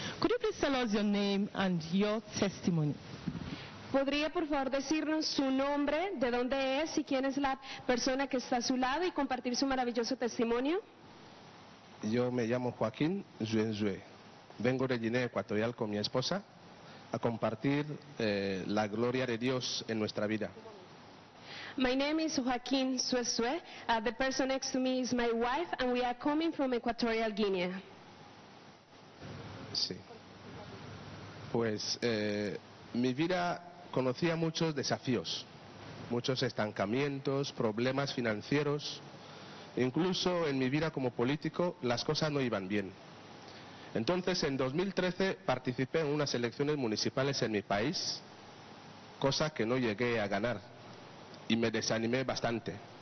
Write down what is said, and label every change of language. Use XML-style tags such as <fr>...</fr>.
<en>Could you please tell us your name and your testimony?</en> <es>¿Podría por favor decirnos su nombre, de dónde es y quién es la persona que está a su lado y compartir su maravilloso testimonio? Yo me llamo Joaquín Njemanze. Vengo de Guinea Ecuatorial con mi esposa a compartir la gloria de Dios en nuestra vida.</es> <en>My name is Joaquín Njemanze. The person next to me is my wife and we are coming from Equatorial Guinea.</en> <es>Sí. Pues mi vida conocía muchos desafíos, muchos estancamientos, problemas financieros. Incluso en mi vida como político las cosas no iban bien. Entonces en 2013 participé en unas elecciones municipales en mi país, cosa que no llegué a ganar y me desanimé bastante.</es>